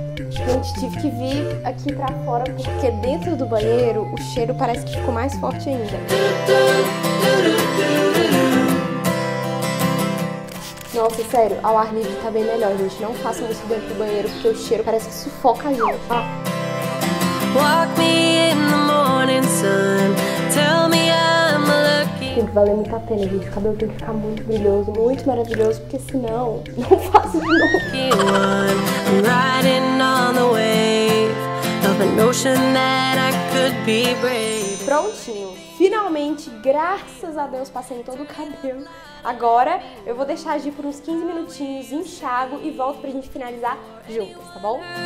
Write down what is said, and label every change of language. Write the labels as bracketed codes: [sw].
[pt] Gente, tive que vir aqui pra fora porque dentro do banheiro o cheiro parece que ficou mais forte ainda. Nossa, sério, ao ar livre tá bem melhor, gente. Não façam isso dentro do banheiro, porque o cheiro parece que sufoca a gente, ó. [en] Walk me in the morning sun, tell me I'm lucky. [pt] Tem que valer muito a pena, gente. O cabelo tem que ficar muito brilhoso, muito maravilhoso, porque senão, não faço de novo. [en] Riding on the wave of an ocean that I could be brave. [pt] Prontinho. Finalmente, graças a Deus, passei em todo o cabelo. Agora eu vou deixar agir por uns 15 minutinhos, enxago e volto pra gente finalizar juntas, tá bom?